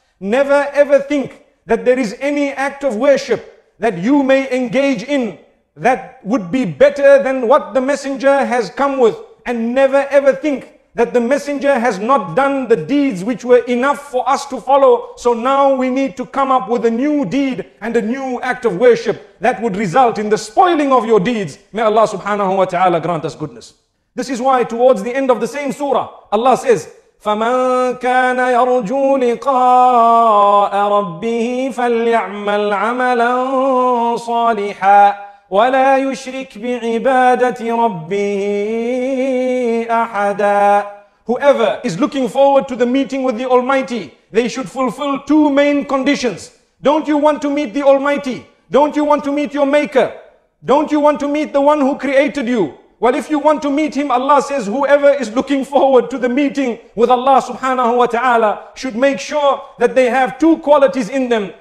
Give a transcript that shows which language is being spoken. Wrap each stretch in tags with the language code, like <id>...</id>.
<en>Never ever think that there is any act of worship that you may engage in that would be better than what the messenger has come with. And never ever think that the messenger has not done the deeds which were enough for us to follow. So now we need to come up with a new deed and a new act of worship that would result in the spoiling of your deeds. May Allah subhanahu wa ta'ala grant us goodness. This is why towards the end of the same surah, Allah says,</en> <ar>فَمَنْ كَانَ يَرْجُو لِقَاءَ رَبِّهِ فَلْيَعْمَلْ عَمَلًا صَالِحًا وَلَا يُشْرِكْ بِعِبَادَةِ رَبِّهِ أَحَدًا.</ar> <en>Whoever is looking forward to the meeting with the Almighty, they should fulfill two main conditions. Don't you want to meet the Almighty? Don't you want to meet your Maker? Don't you want to meet the one who created you? Well, if you want to meet him, Allah says, whoever is looking forward to the meeting with Allah subhanahu wa ta'ala should make sure that they have two qualities in them.</en>